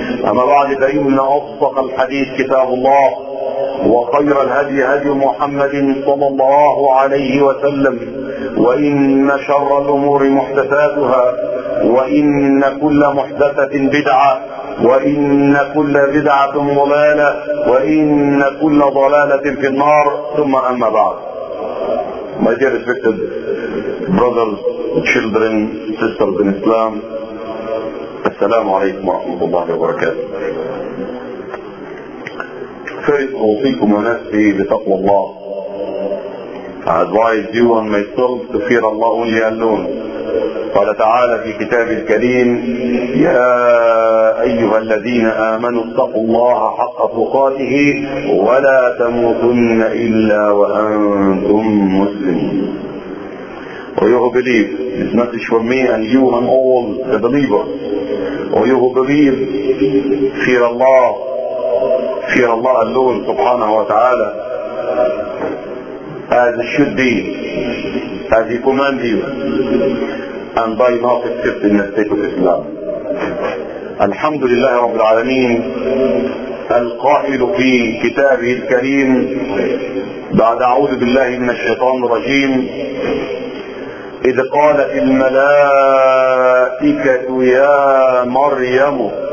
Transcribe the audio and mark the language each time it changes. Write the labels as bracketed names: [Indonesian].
[Arabic] أما بعد، فإن أصدق الحديث كتاب الله وخير الهدي هدي محمد صلى الله عليه وسلم، وإن شر الأمور محدثاتها وإن كل محدثة بدعة وإن كل بدعة ضلالة وإن كل ضلالة في النار. ثم أما بعد، [English] My dear respected brothers, children, sisters in Islam, [Arabic] السلام عليكم ورحمة الله وبركاته. [English] First, [Arabic] أوصيكم ونفسي بتقوى الله. [English] I advise you and myself to fear Allah only alone. [Arabic] قال تعالى في كتاب الكريم: يا أيها الذين آمنوا اتقوا الله حق تقاته ولا تموتن إلا وأنتم مسلمون. [English] Or you who believe, this message from me and you and all the believers. Or you who believe, fear Allah alone subhanahu wa ta'ala, as it should be, as He commanded you, and by not accepting the state of Islam. [Arabic] Alhamdulillah Rabbil Alameen, القائل في كتابه الكريم بعد أعوذ بالله من الشيطان الرجيم: إذ قالت الملائكة يا مريم